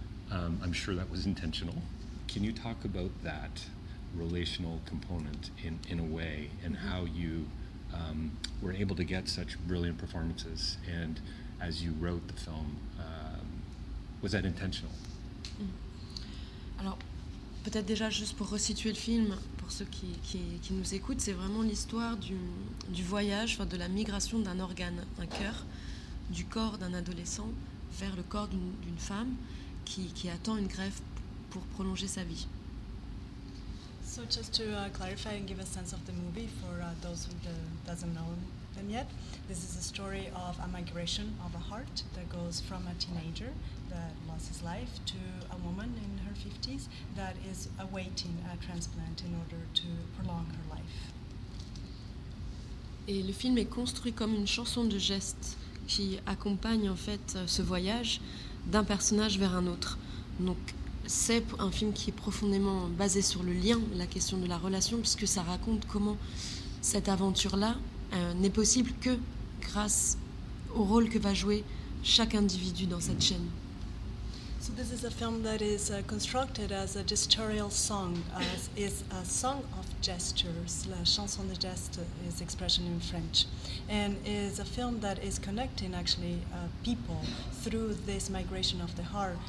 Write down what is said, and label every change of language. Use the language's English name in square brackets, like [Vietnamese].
[English] I'm sure that was intentional. Can you talk about that relational component in a way, and how you were able to get such brilliant performances, and as you wrote the film, was that intentional? [French] Alors, peut-être déjà juste pour resituer le film pour ceux qui nous écoutent, c'est vraiment l'histoire du voyage, enfin de la migration d'un organe, un cœur, du corps d'un adolescent vers le corps d'une femme qui attend une greffe pour prolonger sa vie. [English] So just to clarify and give a sense of the movie for those who doesn't know them yet, this is a story of a migration of a heart that goes from a teenager that lost his life to a woman in her 50s that is awaiting a transplant in order to prolong her life. [French] Et le film est construit comme une chanson de gestes qui accompagne en fait ce voyage d'un personnage vers un autre. Donc, c'est un film qui est profondément basé sur le lien, la question de la relation, puisque ça raconte comment cette aventure-là n'est possible que grâce au rôle que va jouer chaque individu dans cette chaîne. [English] So this is a film that is constructed as a gestural song, as is a song of gestures, la chanson de gestes is expression in French, and is a film that is connecting actually people through this migration of the heart.